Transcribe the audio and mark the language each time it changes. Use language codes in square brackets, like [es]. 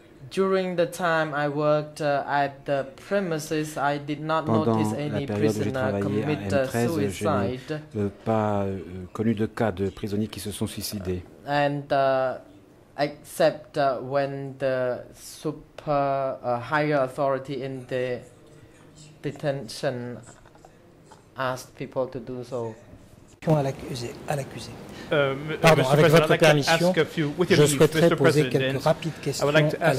[en] During the time I worked at the premises, I did not notice any prisoner commit suicide. [fr] Connu de cas de prisonniers qui se sont suicidés. [en] And except when the super higher authority in the detention asked people to do so. [fr] questions à l'accusé. Je souhaiterais poser quelques rapides questions à l'accusé.